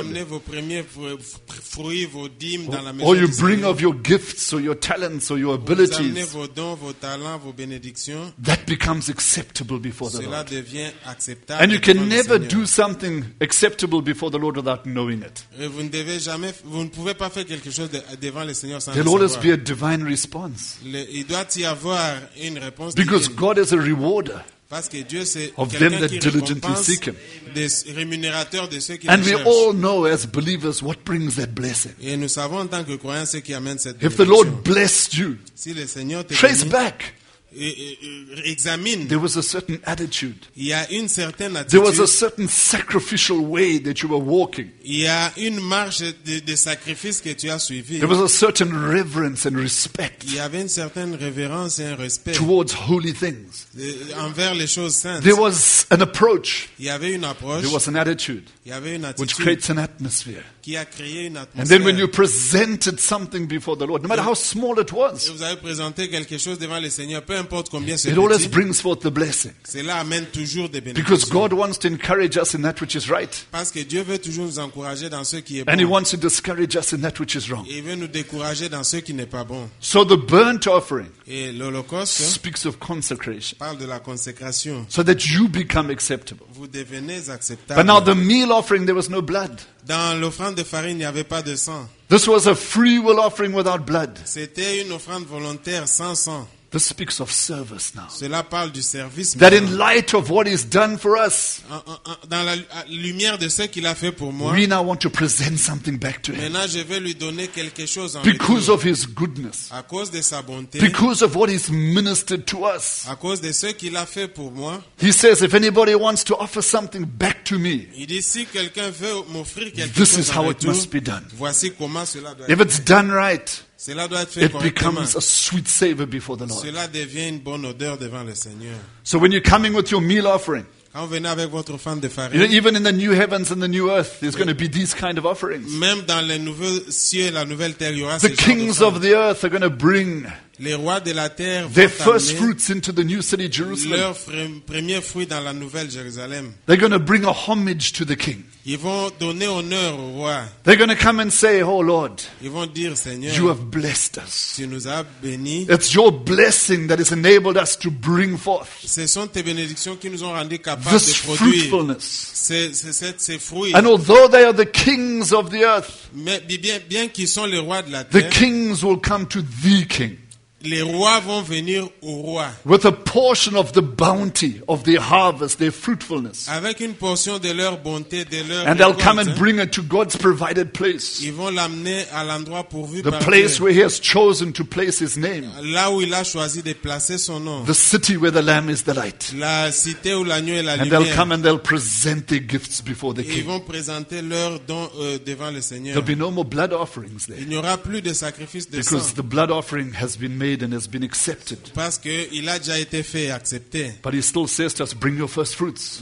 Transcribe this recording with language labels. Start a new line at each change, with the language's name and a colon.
French: amenez vos premiers fruits, vos dîmes
English: or,
French: dans la
English: or you bring
French: Seigneur.
English: Of your gifts, or your talents, or your abilities,
French: vous amenez vos dons, vos talents, vos bénédictions,
English: that becomes acceptable before
French: cela
English: the Lord.
French: Devient acceptable
English: and you can never do something acceptable before the Lord without knowing it.
French: Vous ne devez jamais, vous ne pouvez pas faire quelque chose devant le Seigneur sans
English: There'll
French: le savoir.
English: There will always be a divine response.
French: Il doit y avoir une réponse.
English: Because
French: divine.
English: God is a rewarder.
French: Parce que Dieu c'est
English: of them that diligently seek Him.
French: Des rémunérateurs de ceux qui
English: and
French: le
English: we
French: cherchent.
English: All know as believers what brings that blessing.
French: Et nous savons en tant que croyants ce qui amène cette bénédiction.
English: If the Lord blessed you,
French: si le Seigneur t'a
English: trace
French: béni,
English: back. Examine. There was a certain attitude.
French: Il y a une certaine attitude.
English: There was a certain sacrificial way that you were walking.
French: Il y a une marche de sacrifice que tu as suivi.
English: There was a certain reverence and respect.
French: Il y avait une certaine révérence et un respect.
English: Towards holy things.
French: Envers les choses saintes.
English: There was an approach.
French: Il y avait une approche.
English: There was an attitude.
French: Il y avait une attitude.
English: Which creates an atmosphere.
French: Qui a créé une atmosphère.
English: And then when you presented something before the Lord, no matter how small it was.
French: Vous avez présenté quelque chose devant le Seigneur. Peu importe combien c'est petit,
English: always brings forth the blessing.
French: Cela amène toujours des bénédictions.
English: Because God wants to encourage us in that which is right.
French: Parce que Dieu veut toujours nous encourager dans ce qui est bon.
English: And He wants to discourage us in that which is wrong.
French: Il veut nous décourager dans ce qui n'est pas bon.
English: So the burnt offering
French: et l'holocauste
English: speaks of consecration.
French: Parle de la consécration.
English: So that you become acceptable.
French: Vous devenez acceptable.
English: But now the meal offering, there was no blood.
French: Dans l'offrande de farine, il n'y avait pas de sang.
English: This was a free will offering without blood.
French: C'était une offrande volontaire sans sang.
English: This speaks of service now.
French: Cela parle du service.
English: That in light of what He's done for us,
French: dans la lumière de ce qu'il a fait pour moi,
English: we now want to present something back to Him.
French: Maintenant, je vais lui donner quelque chose en
English: because of His goodness.
French: À cause de sa bonté.
English: Because of what He's ministered to us.
French: À cause de ce qu'il a fait pour moi.
English: He says, if anybody wants to offer something back to me,
French: il dit, si quelqu'un veut m'offrir quelque
English: this
French: chose
English: is how
French: retour,
English: it must be done.
French: Voici comment cela doit
English: if
French: être.
English: It's done right,
French: cela doit être fait
English: it becomes a sweet savor before the Lord.
French: Cela devient une bonne odeur devant le Seigneur.
English: So when you're coming with your meal offering,
French: quand vous venez avec votre offrande de farine,
English: you know, even in the new heavens and the new earth, there's going to be these kind of offerings.
French: Même dans les nouveaux cieux et la nouvelle terre, il y aura
English: the kings of the earth are going to bring
French: les rois de la terre
English: their first fruits into the new city Jerusalem.
French: Leurs premiers fruits dans la nouvelle Jérusalem.
English: They're going to bring a homage to the king.
French: Ils vont donner honneur au roi.
English: They're going to come and say, oh Lord,
French: ils vont dire, Seigneur,
English: you have blessed us.
French: Tu nous as bénis.
English: It's your blessing that has enabled us to bring forth.
French: Ce sont tes bénédictions qui nous ont rendu capables de produire.
English: Fruitfulness.
French: Ces fruits.
English: And although they are the kings of the earth,
French: mais bien qu'ils sont les rois de la terre,
English: the kings will come to the king.
French: Les rois vont venir au roi.
English: With a portion of the bounty of their harvest, their fruitfulness.
French: Avec une portion de leur bonté, de leur
English: And they'll come and bring it to God's provided place.
French: Ils vont l'amener à l'endroit pourvu par
English: The place where he has chosen to place his name.
French: Là où il a choisi de placer son nom.
English: The city where the lamb is the light.
French: La cité où l'agneau est la lumière.
English: And they'll come and they'll present their gifts before the king.
French: Ils vont présenter leurs dons devant le Seigneur.
English: There'll be no more blood offerings there.
French: Il n'y aura plus de sacrifices de sang.
English: Because the blood offering has been made and has been accepted.
French: Parce que il a déjà été fait et accepté.
English: But he still says to us, bring your first fruits.